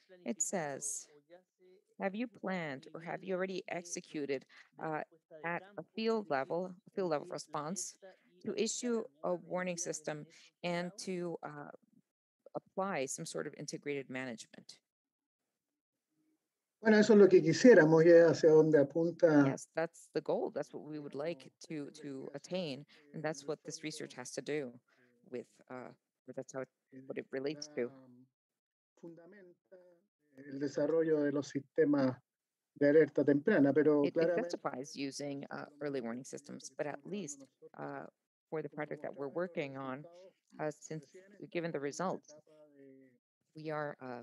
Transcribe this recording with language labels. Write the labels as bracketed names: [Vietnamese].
[English] It says, have you planned or have you already executed at a field level response to issue a warning system and to apply some sort of integrated management? [Spanish] Bueno, eso es lo que quisiéramos y hacia donde apunta. [English] Yes, that's the goal. That's what we would like to attain, and that's what this research has to do with. That's how what it relates to. [Spanish] Fundamenta el desarrollo de los sistemas de alerta temprana, pero claramente. [English] It justifies using early warning systems, but at least for the project that we're working on, since given the results, we are.